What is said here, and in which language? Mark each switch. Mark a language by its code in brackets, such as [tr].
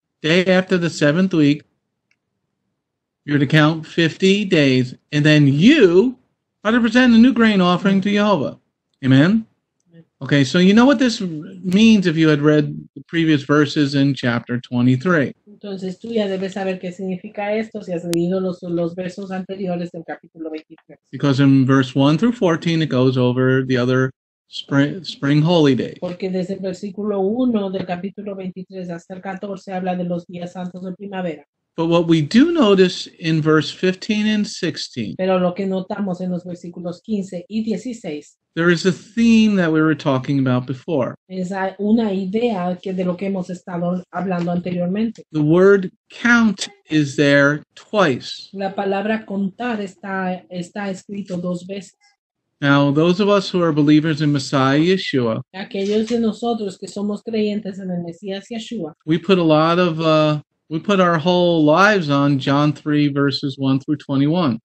[en] day after the seventh week, you're to count 50 days, and then you are to present a new grain offering to Yehovah. Amen? Okay, so you know what this means if you had read the previous verses in chapter 23. [es] Entonces, tú ya debes saber qué significa esto si has leído los versos anteriores del capítulo 23. [en] Because in verse 1 through 14, it goes over the other spring holy days. [es] Porque desde el versículo 1 del capítulo 23 hasta el 14 habla de los días santos de primavera. [en] But what we do notice in verse 15 and 16, [es] pero lo que notamos en los versículos 15 y 16, [en] there is a theme that we were talking about before. [es] Es una idea que de lo que hemos estado hablando anteriormente. [en] The word count is there twice. [es] La palabra contar está escrito dos veces. [en] Now, those of us who are believers in Messiah Yeshua, [es] aquellos de nosotros que somos creyentes en el Mesías Yeshua, [en] we put our whole lives on John 3, verses 1 through 21.